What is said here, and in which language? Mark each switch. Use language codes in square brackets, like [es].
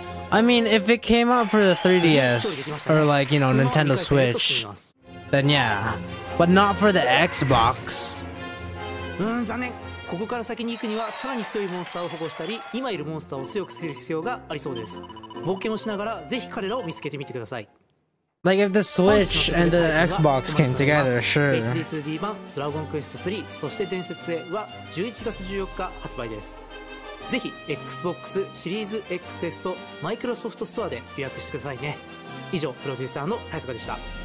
[en] I mean, if it came out for the 3DS or like, you know, Nintendo Switch, then yeah. But not for the Xbox. [ja] 残念。ここから先に行くにはさらに強いモンスターを保護したり、今いるモンスターを強くする必要がありそうです。冒険をしながらぜひ彼らを見つけてみてください。 [en] Like if the Switch and the Xbox came together, sure. [ja] HD2D 版ドラゴンクエスト3そして伝説へは11月14日発売です。ぜひ Xbox シリーズ XS と Microsoft Store で予約してくださいね。以上、プロデューサーの早坂でした。